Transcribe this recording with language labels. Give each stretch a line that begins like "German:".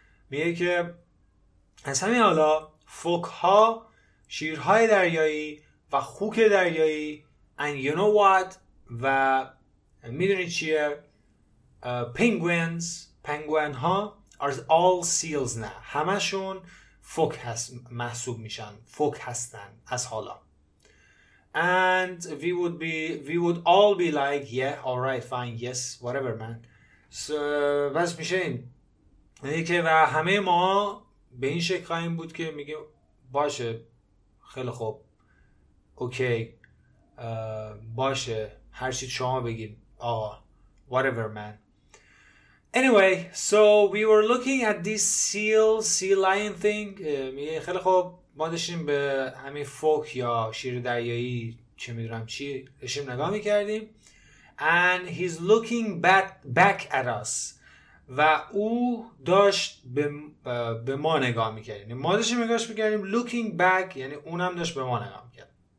Persian: میگه که از همین حالا فوک ها، شیرهای دریایی و خوک دریایی
English: and you know what
Persian: و میدونی چیه پنگوین ها
English: are all seals
Persian: نه همشون فوک هست محسوب میشن، فوک هستن از حالا.
English: And we would all be like yeah alright fine yes whatever man.
Persian: So بس میشه این که و همه ما به این شکل خواهیم بود که میگه باشه خیلی خوب اوکی باشه هرچی شما بگید آقا
English: whatever man. Anyway, so we were looking at this sea lion thing.
Persian: میگه خیلی خوب ما داشتیم به همین فوک یا شیر دریایی چه میدونم چی داشتیم نگاه میکردیم.
English: And he's looking back at us.
Persian: و او داشت به ما نگاه میکردیم. ما داشتیم نگاهش میکردیم.
English: Looking back
Persian: یعنی اونم داشت به ما نگاه میکرد.